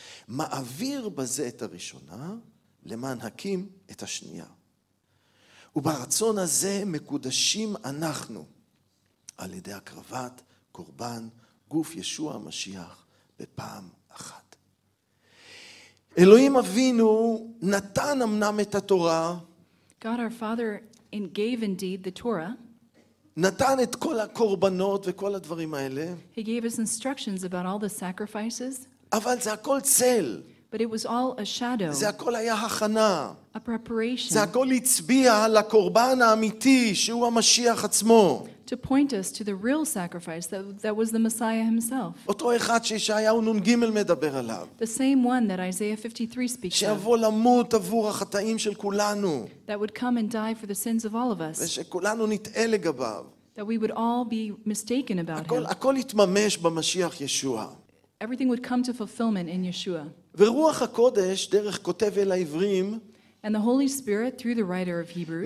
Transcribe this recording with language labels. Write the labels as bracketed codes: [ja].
[he] מעביר בזה את הראשונה, למען הקים את השנייה. וברצון הזה מקודשים אנחנו, על ידי הקרבת קורבן גוף ישוע המשיח בפעם אחת. אלוהים אבינו נתן אמנם את התורה. [en] God our Father gave indeed the Torah. [he] נתן את כל הקורבנות וכל הדברים האלה. [en] He gave us instructions about all the sacrifices. [he] אבל זה הכל צל. [en] But it was all a shadow. [he] זה הכל היה הכנה. [en] A preparation. [he] זה הכל הצביע לקורבן האמיתי שהוא המשיח עצמו. [en] To point us to the real sacrifice that was the Messiah himself. [he] אותו אחד שישעיהו נון גימל מדבר עליו. [en] The same one that Isaiah 53 speaks of. [he] שיבוא למות עבור החטאים של כולנו. [en] That would come and die for the sins of all of us. [he] ושכולנו נתעה לגביו. [en] That we would all be mistaken about him. [he] הכל יתממש במשיח ישוע. [en] Everything would come to fulfillment in Yeshua. [he] ורוח הקודש דרך כותב אל העברים. [en] And the Holy Spirit through the writer of Hebrews.